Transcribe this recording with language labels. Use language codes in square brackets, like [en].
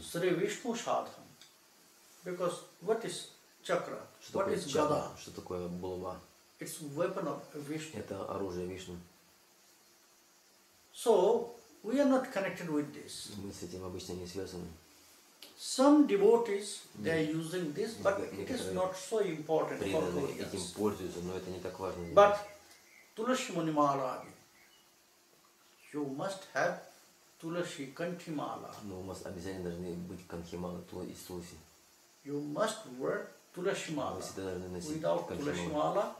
[en] Sri Vishnu Shadhan. Because what is chakra? [ru] Что такое чакра? Что такое булава? [en] It's weapon of Vishnu. [ru] Это оружие Вишну. [en] So we are not connected with this. [ru] Мы с этим обычно не связаны. [en] Some devotees, they are using this, but it is not so important for Gauriyas. [ru] Этим пользуются, но это не так важно. [en] But Tulasi Muni Maharaji, you must have Tulasi Kanthi Mala. [ru] Но у вас обязательно должны быть Kanthi Mala, Tula и Tulasi. [en] You must wear Tulasi Mala. [ru] Вы всегда должны носить [en] Without Tulasi Mala,